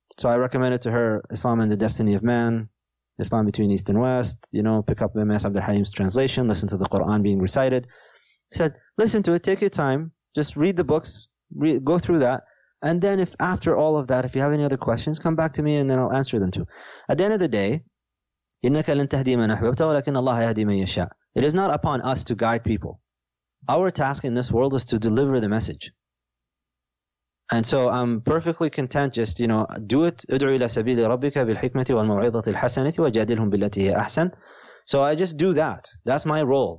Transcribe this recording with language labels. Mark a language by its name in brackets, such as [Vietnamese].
[English] So I recommended to her Islam and the Destiny of Man, Islam Between East and West, you know, pick up M.S. Abdul Halim's translation, listen to the Quran being recited. He said, listen to it, take your time, just read the books, go through that. And then if after all of that, if you have any other questions, come back to me and then I'll answer them too. At the end of the day, [Arabic] إِنَّكَ لَن تَهْدِي مَنْ أَحْبَبْتَ وَلَكِنَّ اللَّهَ يَهْدِي مَنْ يَشَاءُ. [English] It is not upon us to guide people. Our task in this world is to deliver the message. And so I'm perfectly content just, you know, do it. [Arabic] ادْعُوا إِلَى سَبِيلِ رَبِّكَ بِالْحِكْمَةِ وَالْمَوْعِظَةِ الْحَسَنَةِ وَجَادِلْهُمْ بِالَّتِي هِيَ أَحْسَنُ. [English] So I just do that. That's my role.